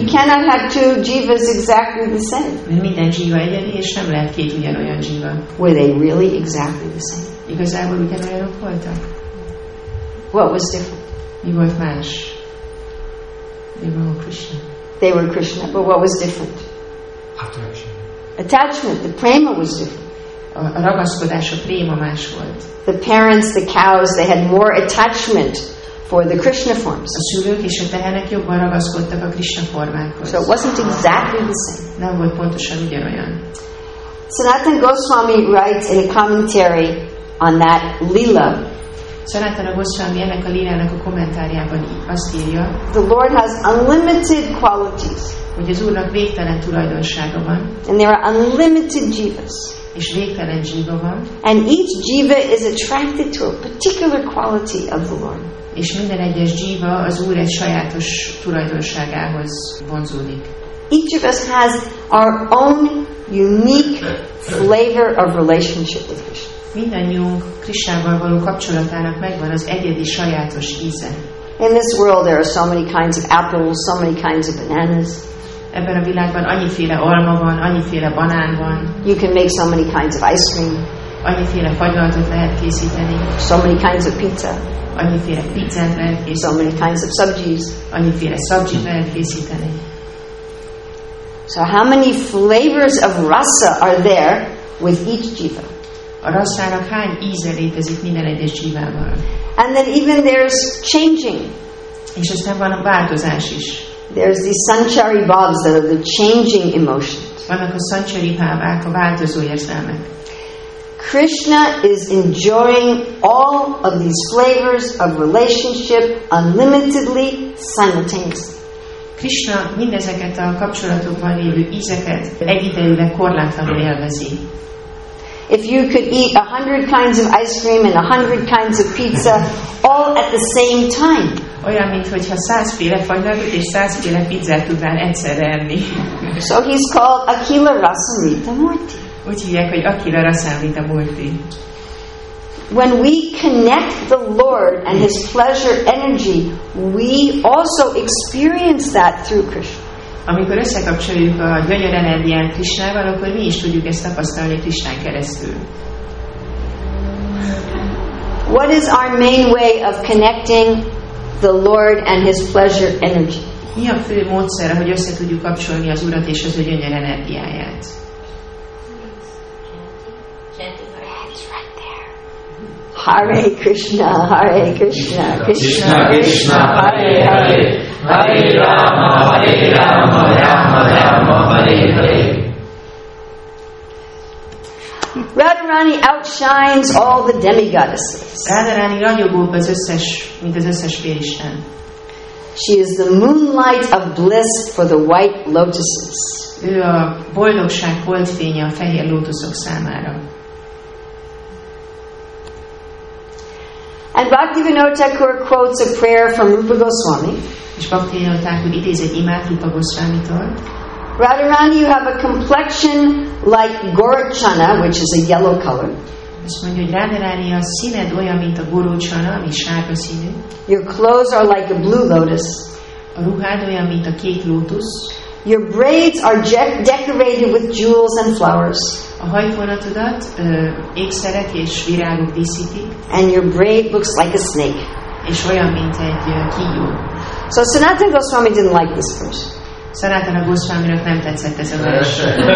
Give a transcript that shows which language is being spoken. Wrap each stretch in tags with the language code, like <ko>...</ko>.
<en>You cannot have two jivas exactly the same.</en> <hu>Minden jiva egyedi, és nem lehet két ugyanolyan jiva.</hu> <en>Were they really exactly the same?</en> <hu>Igazából ugyanolyanok voltak.</hu> <en>What was different?</en> <hu>Mi volt más?</hu> <en>They were all Krishna. They were Krishna, but what was different? Attachment. Attachment. The prema was different.</en> <hu>A ragaszkodás, a prema más volt.</hu> <en>The parents, the cows, they had more attachment for the Krishna forms.</en> <hu>A szülők és a tehenek jobban ragaszkodtak a Krishna formákhoz.</hu> <en>So it wasn't exactly the same.</en> <hu>Nem volt pontosan ugyanolyan.</hu> <en>Sanatana Goswami writes in a commentary on that lila.</en> <hu>Sanatana Goswami ennek a lilának a kommentáriában azt írja,</hu> <en>the Lord has unlimited qualities.</en> <hu>Hogy az Úrnak végtelen tulajdonsága van.</hu> <en>And there are unlimited jivas.</en> <hu>És végtelen jiva van.</hu> <en>And each jiva is attracted to a particular quality of the Lord.</en> <hu>És minden egyes jiva az Úr egy sajátos tulajdonságához vonzódik.</hu> <en>Each of us has our own unique flavor of relationship with Krishna.</en> <hu>Mindannyiunk Krisnával való kapcsolatának megvan az egyedi sajátos íze.</hu> <en>In this world there are so many kinds of apples, so many kinds of bananas.</en> <hu>Ebben a világban annyiféle alma van, annyiféle banán van.</hu> <en>You can make so many kinds of ice cream.</en> <hu>Annyiféle fagylaltot lehet készíteni.</hu> <en>So many kinds of pizza.</en> <hu>Annyiféle pizzát lehet készíteni.</hu> <en>So many kinds of sabjis.</en> <hu>Annyiféle sabjit lehet készíteni.</hu> <en>So how many flavors of rasa are there with each jiva?</en> <hu>A rasszának hány íze létezik minden egyes jivával?</hu> <en>And then even there's changing.</en> <hu>És aztán van a változás is.</hu> <en>There's these sanchari bhavs that are the changing emotions.</en> <hu>Vannak a sanchari bhavák, a változó érzelmek.</hu> <en>Krishna is enjoying all of these flavors of relationship unlimitedly, simultaneously.</en> <hu>Krishna mindezeket a kapcsolatokban lévő ízeket egyidejűleg korlátlanul élvezi.</hu> <en>If you could eat 100 kinds of ice cream and 100 kinds of pizza all at the same time.</en> <hu>Olyan, mintha 100 féle fagylaltot és 100 féle pizzát tudnál egyszerre enni.</hu> <en>So he's called Akila Rasamrita Murti.</en> <hu>Úgy hívják, hogy Akila Rasamrita Murti.</hu> <en>When we connect the Lord and his pleasure energy, we also experience that through Krishna.</en> <hu>Amikor összekapcsoljuk a gyönyör energiát Krisnával, akkor mi is tudjuk ezt tapasztalni Krisnán keresztül.</hu> <en>What is our main way of connecting the Lord and his pleasure energy?</en> <hu>Mi a fő módszer, hogy össze tudjuk kapcsolni az Urat és az ő gyönyör energiáját?</hu> <sa>Hare Krishna, Hare Krishna, Krishna Krishna, Hare Hare, Hare Rama, Hare Rama, Rama Rama, Hare Hare.</sa> <en>Radharani outshines all the demigoddesses.</en> <hu>Radharani ragyogóbb az összes, mint az összes félisten.</hu> <en>She is the moonlight of bliss for the white lotuses.</en> <hu>Ő a boldogság holdfénye a fehér lótuszok számára.</hu> <en>And Bhaktivinoda Thakur quotes a prayer from Rupa Goswami.</en> <hu>És Bhaktivinoda Thakur idéz egy imát Rupa Goswamitól.</hu> <en>Radharani, you have a complexion like Gorachana, which is a yellow color.</en> <hu>Azt mondja, hogy Radharani, a színed olyan, mint a Gorachana, ami sárga színű.</hu> <en>Your clothes are like a blue lotus.</en> <hu>A ruhád olyan, mint a kék lótus.</hu> <en>Your braids are decorated with jewels and flowers.</en> <hu>A hajfonatodat ékszerek és virágok díszítik.</hu> <en>And your braid looks like a snake.</en> <hu>És olyan, mint egy kígyó.</hu> <en>So Sanatana Goswami didn't like this verse.</en> <hu>Sanatana Goswaminak nem tetszett ez a verse.</hu>